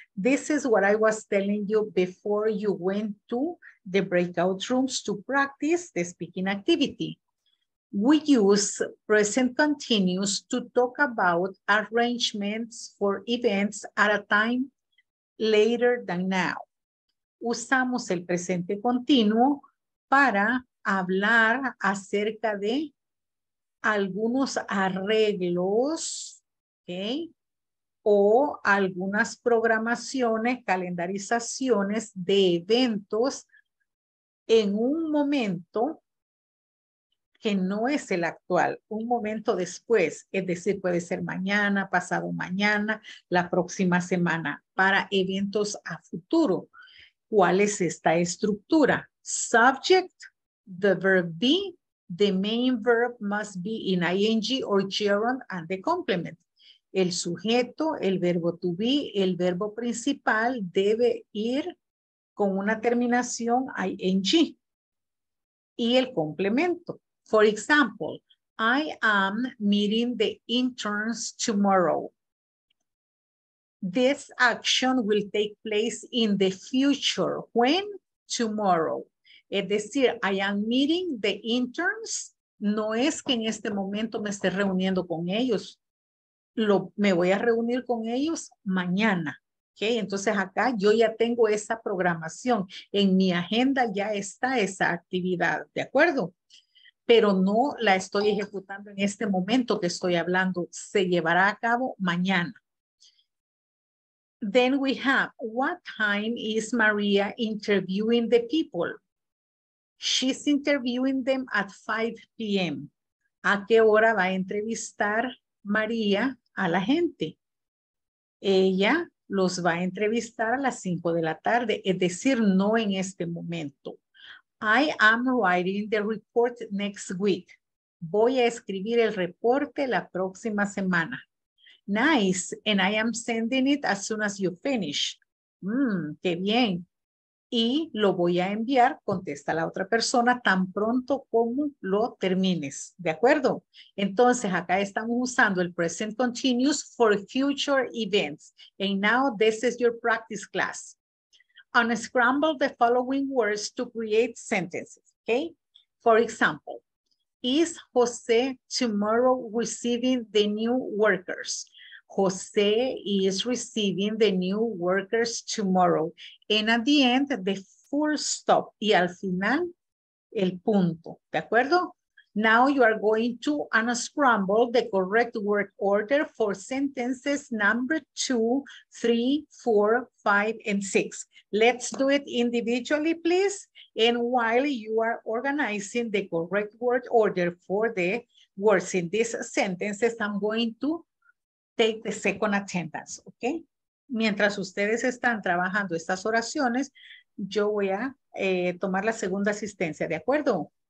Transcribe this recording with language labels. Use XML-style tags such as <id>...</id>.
<en>This is what I was telling you before you went to the breakout rooms to practice the speaking activity. We use present continuous to talk about arrangements for events at a time later than now.</en> <es>Usamos el presente continuo para hablar acerca de algunos arreglos, okay, o algunas programaciones, calendarizaciones de eventos en un momento que no es el actual, un momento después, es decir, puede ser mañana, pasado mañana, la próxima semana, para eventos a futuro. ¿Cuál es esta estructura?</es> <en>Subject, the verb be, the main verb must be in ing or gerund and the complement.</en> <es>El sujeto, el verbo to be, el verbo principal debe ir con una terminación ing y el complemento.</es> <en>For example, I am meeting the interns tomorrow. This action will take place in the future. When? Tomorrow.</en> <es>Es decir,</es> <en>I am meeting the interns.</en> <es>No es que en este momento me esté reuniendo con ellos. Me voy a reunir con ellos mañana. Okay? Entonces acá yo ya tengo esa programación. En mi agenda ya está esa actividad. ¿De acuerdo? Pero no la estoy ejecutando en este momento que estoy hablando. Se llevará a cabo mañana.</es> <en>Then we have, what time is Maria interviewing the people? She's interviewing them at 5 p.m.</en> <es>¿A qué hora va a entrevistar María a la gente? Ella los va a entrevistar a las 5 de la tarde, es decir, no en este momento.</es> <en>I am writing the report next week.</en> <es>Voy a escribir el reporte la próxima semana.</es> <en>Nice. And I am sending it as soon as you finish.</en> <es>Qué bien. Y lo voy a enviar, contesta la otra persona, tan pronto como lo termines. ¿De acuerdo? Entonces, acá estamos usando el</es> <en>present continuous for future events. And now this is your practice class. Unscramble the following words to create sentences, okay? For example, is Jose tomorrow receiving the new workers? Jose is receiving the new workers tomorrow. And at the end, the full stop.</en> <es>Y al final, el punto, ¿de acuerdo?</es> <en>Now you are going to unscramble the correct word order for sentences number 2, 3, 4, 5, and 6. Let's do it individually, please. And while you are organizing the correct word order for the words in these sentences, I'm going to take the second attendance, okay?</en> <es>Mientras ustedes están trabajando estas oraciones, yo voy a tomar la segunda asistencia, ¿de acuerdo?</es>